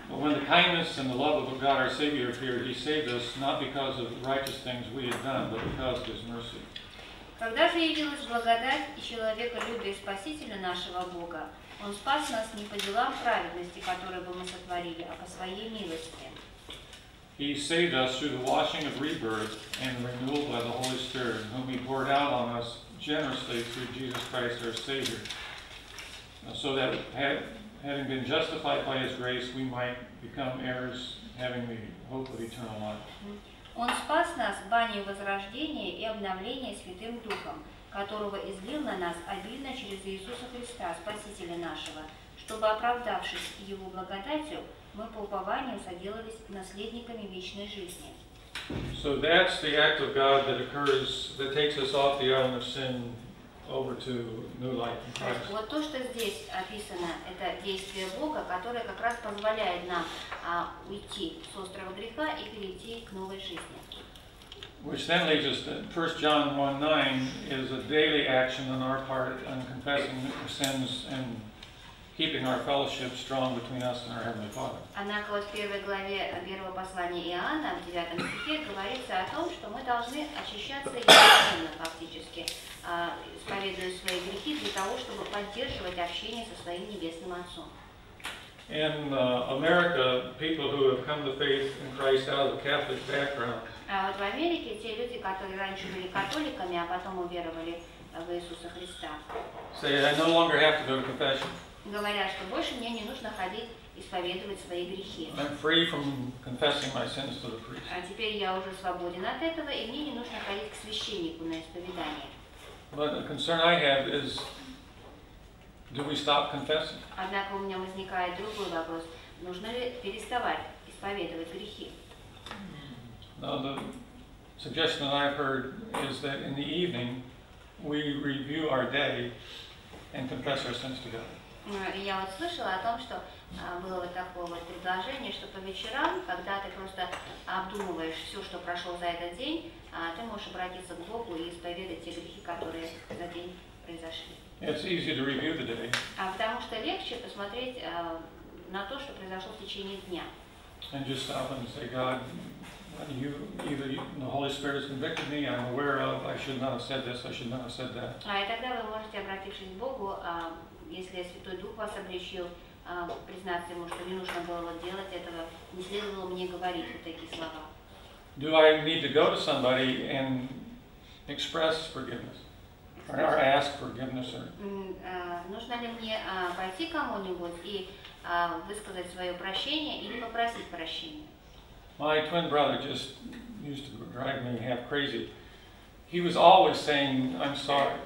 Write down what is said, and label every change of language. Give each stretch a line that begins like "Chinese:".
English: But when the kindness and the love of God our Savior appeared, He saved us not because of righteous things we had done, but because of His mercy.
Russian: Когда же явилась благодать и человеколюбие Спасителя нашего Бога, Он спас нас не по делам праведности, которые бы мы сотворили, а по Своей милости.
English: He saved us through the washing of rebirth and renewal by the Holy Spirit, whom He poured out on us generously through Jesus Christ our Savior, so that having been justified by His grace, we might become heirs, having the hope of eternal life.
Russian: Он спас нас баней возрождения и обновления Святым Духом, которого излил на нас обильно через Иисуса Христа, Спасителя нашего, чтобы, оправдавшись Его благодатью, мы по упованию соделались наследниками вечной жизни.
English: So that's the act of God that occurs, that takes us off the island of sin over to new life in Christ.
Russian: Вот то, что здесь описано, это действие Бога, которое как раз позволяет нам уйти с острова греха и перейти к новой жизни.
English: Which then leads us to 1 John 1:9 is a daily action on our part in confessing our sins and keeping our fellowship strong between us and our Heavenly Father.
Russian: Однако в первой главе первого послания Иоанна, в 9 стихе, говорится о том, что мы должны очищаться единственно, фактически, исповедуя свои грехи, для того, чтобы поддерживать общение со своим Небесным Отцом.
English: In America, people who have come to faith in Christ out of a Catholic background.
Russian: В Америке те люди, которые раньше были католиками, а потом уверовали в Иисуса Христа,
English: say, I no longer have to go to confession.
Russian: Говорят, что больше мне не нужно ходить исповедовать свои грехи.
English: I'm free from confessing my sins to the priest.
Russian: А теперь я уже свободен от этого, и мне не нужно ходить к священнику на исповедание.
English: But the concern I have is, do we stop confessing?
Russian: Однако у меня возникает другой вопрос. Нужно ли переставать исповедовать грехи?
English: Now the suggestion that I've heard is that in the evening we review our day and confess our sins together.
Russian: Я вот слышала о том, что было вот такое вот предложение, что по вечерам, когда ты просто обдумываешь все, что прошло за этот день, ты можешь обратиться к Богу и исповедать те грехи, которые за день произошли.
English: It's easy to review the day.
Russian: А потому что легче посмотреть на то, что произошло в течение дня.
English: And just stop and say, God, you, either the Holy Spirit has convicted me, I'm aware of, I should not have said this, I should not have said that.
Russian: А и тогда вы можете обратившись к Богу, если Святой Дух вас обличил, признаться ему, что не нужно было делать этого, не следовало мне говорить вот такие слова.
English: Do I need to go to somebody and express forgiveness? Or ask forgiveness?
Russian: Нужно ли мне пойти кому-нибудь и высказать свое прощение или попросить прощения?
English: My twin brother just used to drive me half crazy. He was always saying, "I'm sorry."